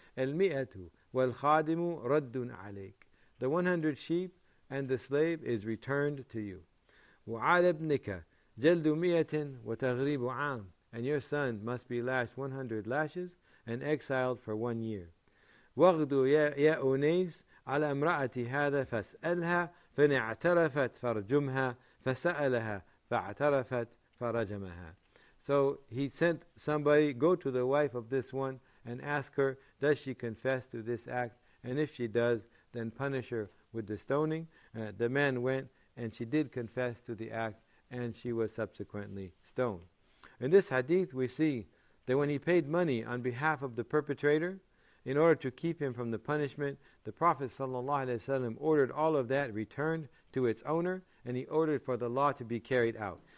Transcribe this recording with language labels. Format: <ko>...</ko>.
<ar>الْمِئَةُ وَالْخَادِمُ رَدٌّ عَلَيْكَ.</ar> <en>The 100 sheep and the slave is returned to you.</en> <ar>وَعَلَى ابْنِكَ جَلْدُ مِئَةٍ وَتَغْرِيبُ عَامٍ.</ar> <en>And your son must be lashed 100 lashes and exiled for 1 year.</en> <ar>وَغْدُ يَا أُنَيْسِ على امرأتي هذا فاسألها فإن اعترفت فرجمها فسألها فاعترفت فرجمها.</ar> <en>So he sent somebody, go to the wife of this one and ask her, does she confess to this act? And if she does, then punish her with the stoning. The man went and she did confess to the act and she was subsequently stoned. In this hadith we see that when he paid money on behalf of the perpetrator, in order to keep him from the punishment, the Prophet ﷺ ordered all of that returned to its owner, and he ordered for the law to be carried out.</en>